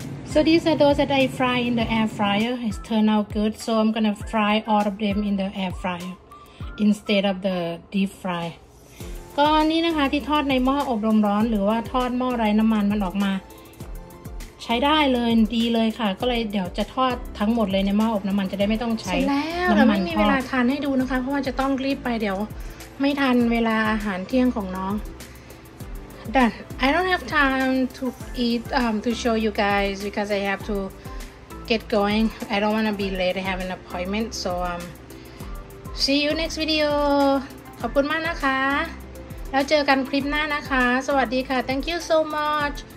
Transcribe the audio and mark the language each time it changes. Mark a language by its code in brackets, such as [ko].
[en] So these are those that I fry in the air fryer. It's turned out good, so I'm gonna fry all of them in the air fryer instead of the deep fry. [th] ก็นี่นะคะที่ทอดในหม้ออบลมร้อนหรือว่าทอดหม้อไร้น้ำมันมันออกมาใช้ได้เลยดีเลยค่ะก็เลยเดี๋ยวจะทอดทั้งหมดเลยในหม้ออบน้ำมันจะได้ไม่ต้องใช้ แล้วเราไม่มีเวลาทานให้ดูนะคะเพราะว่าจะต้องรีบไปเดี๋ยวไม่ทันเวลาอาหารเที่ยงของน้อง [en] Done. I don't have time to eat to show you guys because I have to get going. I don't want to be late. I have an appointment. So see you next video. [th] ขอบคุณมากนะคะแล้วเจอกันคลิปหน้านะคะสวัสดีค่ะ [en] Thank you so much.